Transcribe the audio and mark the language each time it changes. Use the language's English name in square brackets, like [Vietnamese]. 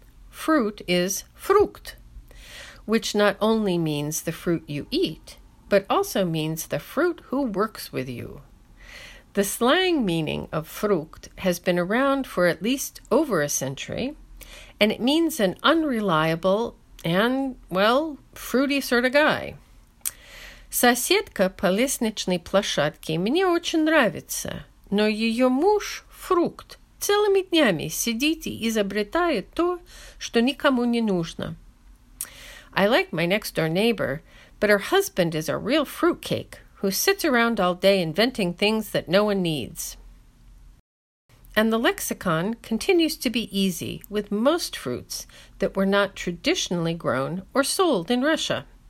[English] Fruit is frukt, which not only means the fruit you eat, but also means the fruit who works with you. The slang meaning of frukt has been around for at least over a century, and it means an unreliable and, well, fruity sort of guy. [Russian] Соседка по лестничной площадке мне очень нравится, но ее муж фрукт целыми днями сидит и изобретает то, что никому не нужно. [English] I like my next door neighbor, but her husband is a real fruitcake who sits around all day inventing things that no one needs. And the lexicon continues to be easy with most fruits that were not traditionally grown or sold in Russia.